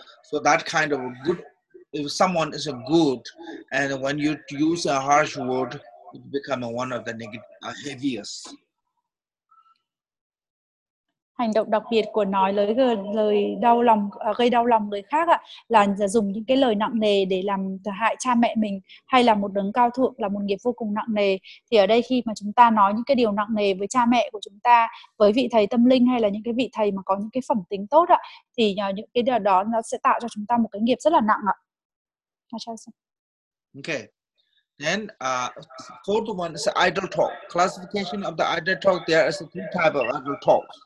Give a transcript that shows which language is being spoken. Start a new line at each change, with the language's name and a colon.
English: So that kind of a good. If someone is a good, and when you use a harsh word, it becomes one of the heaviest.
Vietnamese: Hành động đặc biệt của nói lời đau lòng gây đau lòng người khác ạ, là dùng những cái lời nặng nề để làm hại cha mẹ mình hay là một đấng cao thượng, là một nghiệp vô cùng nặng nề. Thì ở đây khi mà chúng ta nói những cái điều nặng nề với cha mẹ của chúng ta, với vị thầy tâm linh hay là những cái vị thầy mà có những cái phẩm tính tốt ạ, thì những cái điều đó nó sẽ tạo cho chúng ta một cái nghiệp rất là nặng ạ.
English: Okay, then fourth one is idle talk. Classification of the idle talk, there is three type of idle talk.